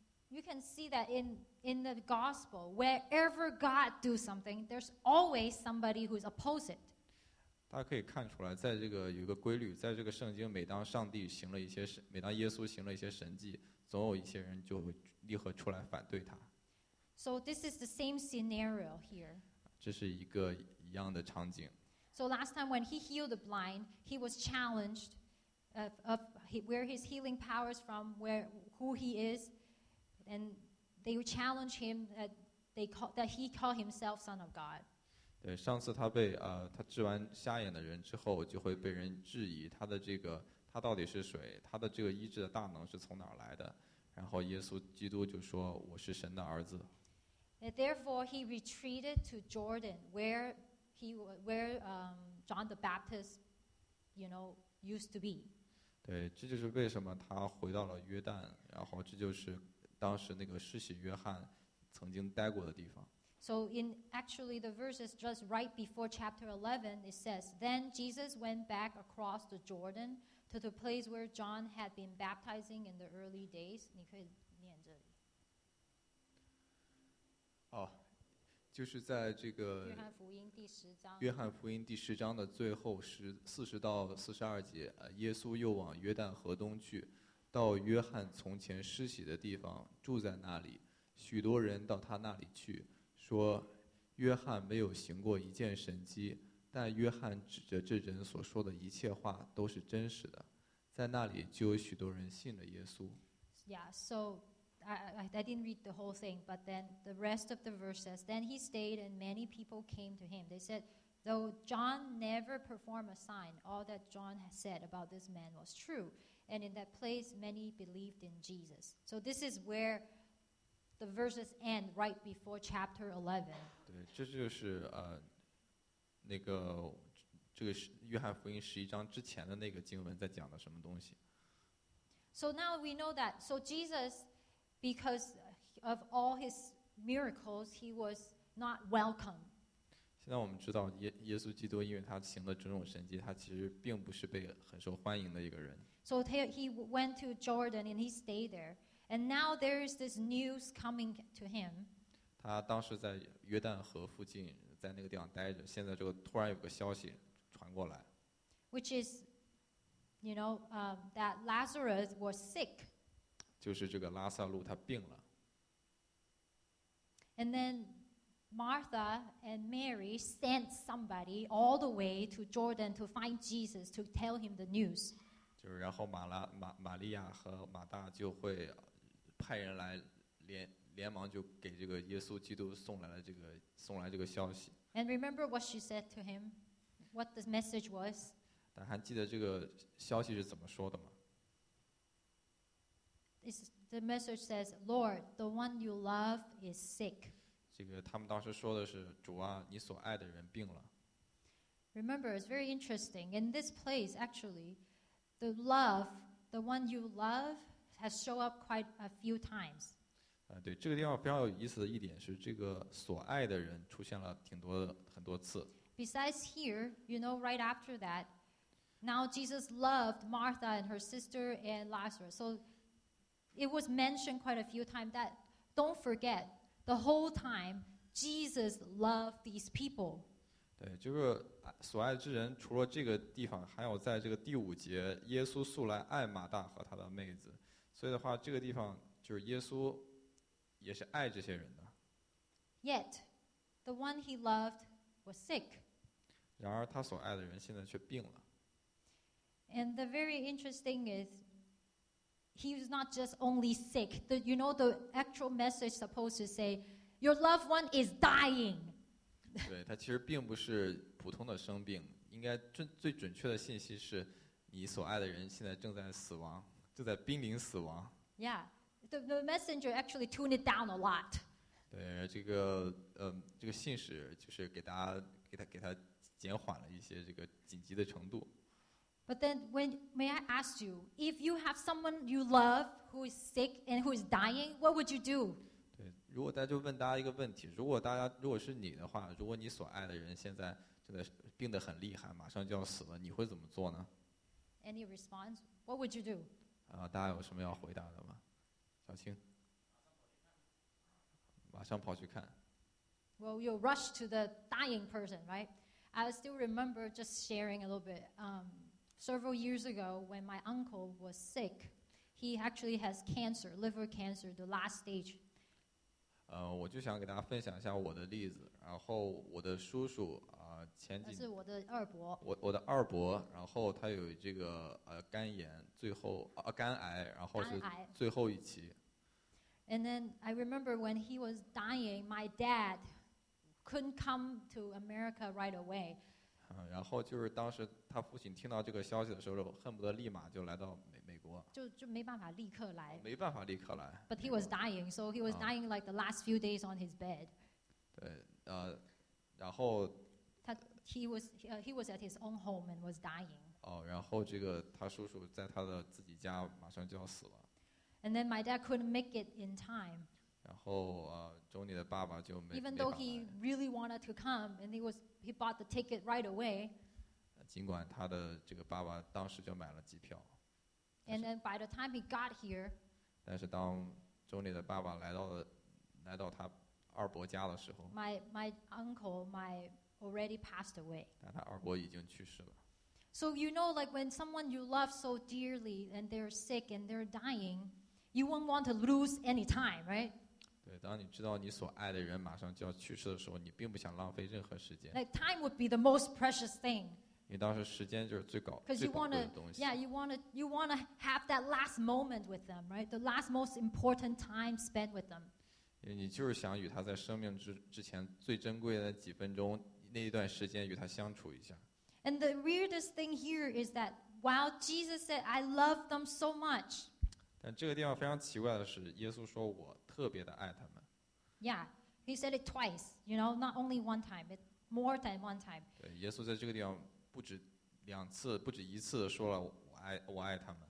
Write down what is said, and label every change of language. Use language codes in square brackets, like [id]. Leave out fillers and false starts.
[en] You can see that in the gospel, wherever God do something, there's always somebody who's opposed it. [zh] 大家可以看出来，在这个有一个规律，在这个圣经，每当上帝行了一些神，每当耶稣行了一些神迹，总有一些人就会立刻出来反对他。 [en] So this is the same scenario here. [zh] 这是一个一样的场景。 [en] So last time when he healed the blind, he was challenged of where his healing powers from, where who he is, and they challenged him that he called himself Son of God. [zh] 对，上次他被他治完瞎眼的人之后，就会被人质疑他的这个他到底是谁，他的这个医治的大能是从哪儿来的？然后耶稣基督就说：“我是神的儿子。” [en] Therefore, he retreated to Jordan, where John the Baptist, you know, used to be. [zh] 对，这就是为什么他回到了约旦，然后这就是当时那个施洗约翰曾经待过的地方。 [en] So in actually the verses just right before chapter 11, it says, Then Jesus went back across the Jordan to the place where John had been baptizing in the early days. [zh] 你可以念这里。哦，就是在这个约翰福音第十章的最后40到42节，耶稣又往约旦河东去，到约翰从前施洗的地方，住在那里。许多人到他那里去，说约翰没有行过一件神迹，但约翰指着这人所说的一切话都是真实的。在那里就有许多人信了耶稣。 [en] Yeah, so. I didn't read the whole thing, but then the rest of the verse says, Then he stayed and many people came to him. They said, Though John never performed a sign, all that John had said about this man was true. And in that place, many believed in Jesus. So this is where the verses end, right before chapter 11. [zh] 对，这就是那个这个约翰福音十一章之前的那个经文在讲的什么东西。 [en] So now we know that. So Jesus, because of all his miracles, he was not welcome. [zh] 现在我们知道耶稣基督因为他行的种种神迹，他其实并不是被很受欢迎的一个人。 [en] So he went to Jordan and he stayed there. And now there is this news coming to him. [zh] 他当时在约旦河附近，在那个地方待着，现在这个突然有个消息传过来。 [en] Which is, you know, that Lazarus was sick. [zh] 就是这个拉撒路他病了。 [en] And then Martha and Mary sent somebody all the way to Jordan to find Jesus to tell him the news. [zh] 就是然后玛利亚和马大就会派人来连忙就给这个耶稣基督送来这个消息。 [en] And remember what she said to him, what the message was. [zh] 但还记得这个消息是怎么说的吗？ [en] The message says, Lord, the one you love is sick. [zh] 这个他们当时说的是，主啊，你所爱的人病了。 [en] Remember, it's very interesting. In this place, actually, the love, the one you love, has shown up quite a few times. [zh] 对，这个地方非常有意思的一点是，这个所爱的人出现了挺多很多次。 [en] Besides here, you know, right after that, now Jesus loved Martha and her sister and Lazarus. So it was mentioned quite a few times that, don't forget, the whole time, Jesus loved these people. [zh] 对，这个所爱之人除了这个地方，还有在这个第五节，耶稣素来爱马大和他的妹子。所以的话，这个地方就是耶稣也是爱这些人的。 [en] Yet, the one he loved was sick. [zh] 然而他所爱的人现在却病了。 [en] And the very interesting is, he was not just only sick. The, you know, the actual message supposed to say, your loved one is dying. [zh] 对，他其实并不是普通的生病，应该最准确的信息是，你所爱的人现在正在死亡，正在濒临死亡。 [en] Yeah. The messenger actually tuned it down a lot. [zh] 对，这个信使就是给他减缓了一些这个紧急的程度。 [en] But then, may I ask you, if you have someone you love who is sick and who is dying, what would you do? [zh] 对，如果大家就问大家一个问题，如果是你的话，如果你所爱的人现在正在病得很厉害，马上就要死了，你会怎么做呢？ [en] Any response? What would you do? [zh] 大家有什么要回答的吗？马上跑去看。 [en] Well, you'll rush to the dying person, right? I still remember just sharing a little bit. Several years ago, when my uncle was sick, he actually has cancer, liver cancer, the last stage. [zh] 我就想给大家分享一下我的例子。然后我的叔叔前几是我的二伯。我的二伯，然后他有这个肝炎，最后肝癌，然后是最后一期。 [en] And then I remember when he was dying, my dad couldn't come to America right away. [zh] 然后就是当时他父亲听到这个消息的时候，恨不得立马就来到美国。就没办法立刻来。没办法立刻来。 [en] But he was dying, so he was dying like the last few days on his bed. [zh] 对，然后 [en] he was at his own home and was dying. [zh] 然后这个他叔叔在他的自己家马上就要死了。 [en] And then my dad couldn't make it in time. [zh] 然后Johnny 的爸爸就没 [en] Even though he really wanted to come, and he bought the ticket right away. [zh] 尽管他的这个爸爸当时就买了机票。 [en] And then by the time he got here. [zh] 但是当 Johnny 的爸爸来到他二伯家的时候。 [en] My uncle already passed away. [zh] 但他二伯已经去世了。 [en] So you know, like when someone you love so dearly and they're sick and they're dying, you won't want to lose any time, right? [zh] 对，当你知道你所爱的人马上就要去世的时候，你并不想浪费任何时间。 [en] Like time would be the most precious thing. [zh] 因为当时时间就是最宝贵的东西。 [en] Yeah, you wanna have that last moment with them, right? The last most important time spent with them. [zh] 因为你就是想与他在生命之前最珍贵的几分钟那一段时间与他相处一下。 [en] And the weirdest thing here is that while Jesus said, I love them so much. [zh] 但这个地方非常奇怪的是，耶稣说我特别的爱他们。 [en] Yeah, he said it twice, you know, not only one time. It, more than one time. [zh] 耶稣在这个地方不止两次，不止一次说了我爱他们。